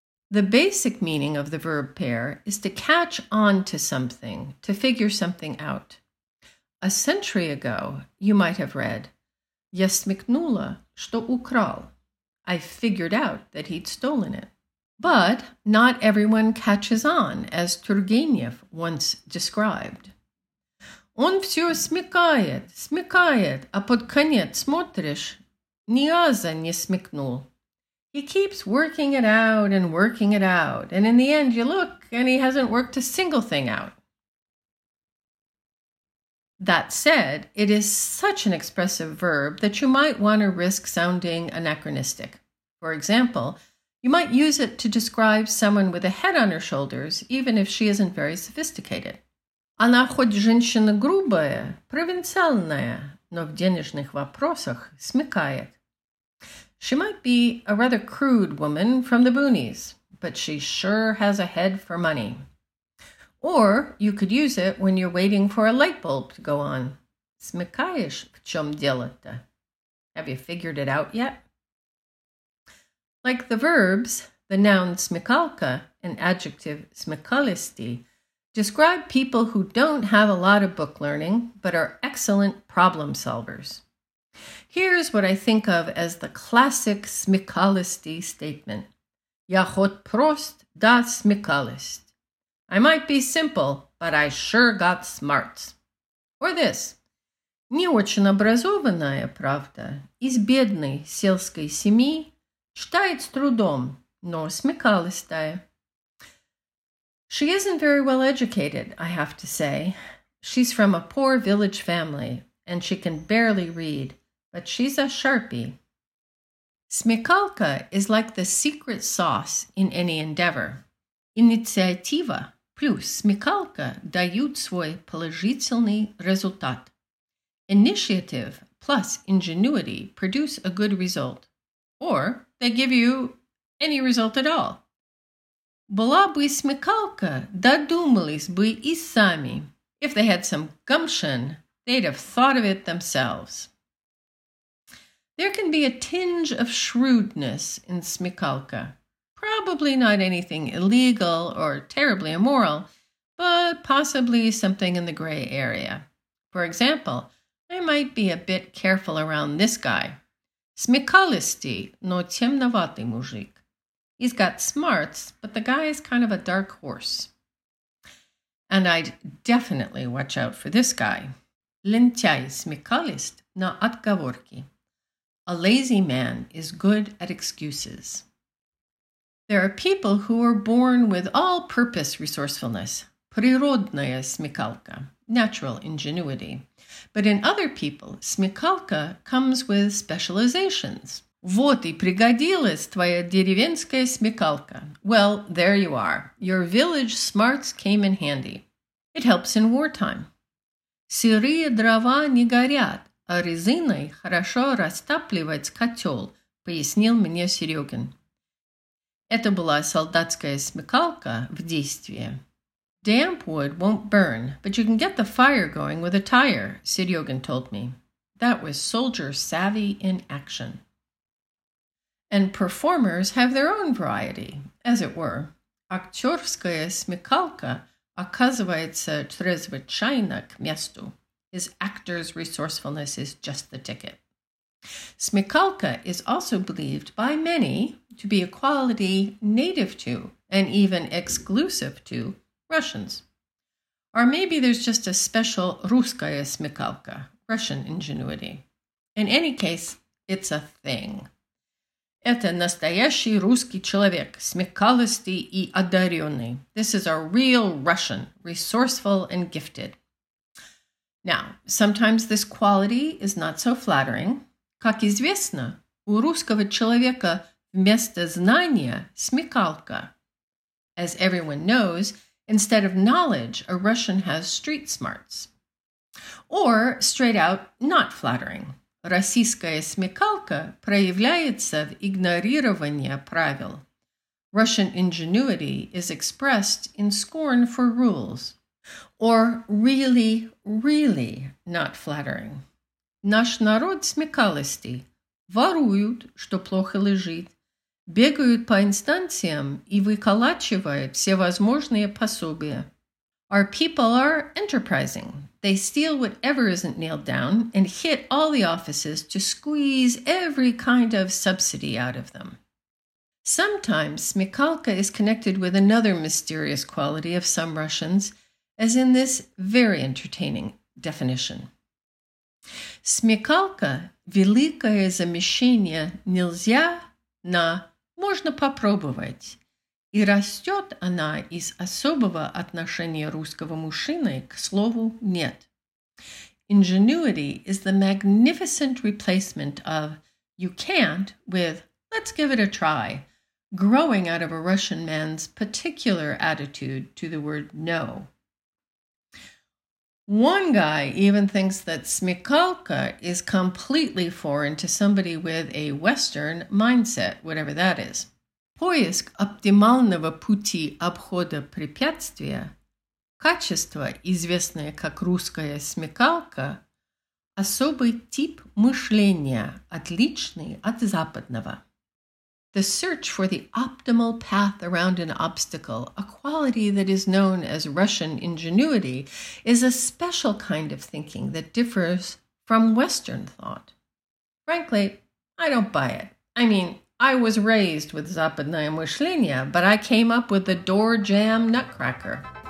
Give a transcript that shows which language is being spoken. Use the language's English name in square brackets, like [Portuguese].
[English] The basic meaning of the verb pair is to catch on to something, to figure something out. A century ago, you might have read, [Russian] Я смекнула, что украл. [English] I figured out that he'd stolen it. But not everyone catches on, as Turgenev once described. [Russian] Он все смекает, смекает, а под конец смотришь, ни разу не смекнул. [English] He keeps working it out and working it out, and in the end you look, and he hasn't worked a single thing out. That said, it is such an expressive verb that you might want to risk sounding anachronistic. For example, you might use it to describe someone with a head on her shoulders, even if she isn't very sophisticated. [Russian] Она хоть женщина грубая, провинциальная, но в денежных вопросах смекает. [English] She might be a rather crude woman from the boonies, but she sure has a head for money. Or you could use it when you're waiting for a light bulb to go on. [Russian] Смекаешь, в чем дело-то? [English] Have you figured it out yet? Like the verbs, the noun смекалка and adjective смекалисти describe people who don't have a lot of book learning but are excellent problem solvers. Here's what I think of as the classic смекалисти statement. [Russian] Я хоть прост, да смекалист. [English] I might be simple, but I sure got smarts. Or this. [Russian] Не очень образованная, правда, из бедной сельской семьи, читает с трудом, но смекалистая. [English] She isn't very well educated, I have to say. She's from a poor village family, and she can barely read, but she's a sharpie. Смекалка is like the secret sauce in any endeavor. [Russian] Инициатива плюс смекалка дают свой положительный результат. [English] Initiative plus ingenuity produce a good result. Or they give you any result at all. [Russian] Была бы смекалка, додумались бы и сами. [English] If they had some gumption, they'd have thought of it themselves. There can be a tinge of shrewdness in smekalka. Prob- probably not anything illegal or terribly immoral, but possibly something in the gray area. For example, I might be a bit careful around this guy. [Russian] Смекалистый, но темноватый мужик. [English] He's got smarts, but the guy is kind of a dark horse. And I'd definitely watch out for this guy. [Russian] Лентяй смекалист, но отговорки. [English] A lazy man is good at excuses. There are people who are born with all-purpose resourcefulness. [Russian] Природная смекалка, [English] natural ingenuity. But in other people, смекалка comes with specializations. [Russian] Вот и пригодилась твоя деревенская смекалка. [English] Well, there you are. Your village smarts came in handy. It helps in wartime. [Russian] Сырые дрова не горят, а резиной хорошо растапливать котел, пояснил мне Серегин. Это была солдатская смекалка в действии. [English] Damp wood won't burn, but you can get the fire going with a tire, Siryogin told me. That was soldier savvy in action. And performers have their own variety, as it were. [Russian] Актерская смекалка оказывается чрезвычайно к месту. [English] His actor's resourcefulness is just the ticket. Смекалка is also believed by many to be a quality native to, and even exclusive to, Russians. Or maybe there's just a special [Russian] Ruskaya smekalka, [English] Russian ingenuity. In any case, it's a thing. [Russian] Это настоящий русский человек, смекалистый и одаренный. [English] This is a real Russian, resourceful and gifted. Now, sometimes this quality is not so flattering. [Russian] Как известно, у русского человека вместо знания смекалка. [English] As everyone knows, instead of knowledge, a Russian has street smarts. Or, straight out, not flattering. [Russian] Российская смекалка проявляется в игнорировании правил. [English] Russian ingenuity is expressed in scorn for rules. Or, really, really not flattering. [Russian] Наш народ смекалистый. Воруют, что плохо лежит. Бегают по инстанциям и выколачивают все возможные пособия. [English] Our people are enterprising. They steal whatever isn't nailed down and hit all the offices to squeeze every kind of subsidy out of them. Sometimes smekalka is connected with another mysterious quality of some Russians, as in this very entertaining definition. [Russian] Смекалка – великое замещение нельзя на... Можно попробовать. И растет она из особого отношения русского мужчины к слову «нет». [English] Ingenuity is the magnificent replacement of «you can't» with «let's give it a try», growing out of a Russian man's particular attitude to the word «no». One guy even thinks that смекалка is completely foreign to somebody with a Western mindset, whatever that is. [Russian] Поиск оптимального пути обхода препятствия, качество, известное как русская смекалка, особый тип мышления, отличный от западного. [English] The search for the optimal path around an obstacle, a quality that is known as Russian ingenuity, is a special kind of thinking that differs from Western thought. Frankly, I don't buy it. I mean, I was raised with [Russian] Zapadnaya Mushlinya, [English] but I came up with the door jam nutcracker.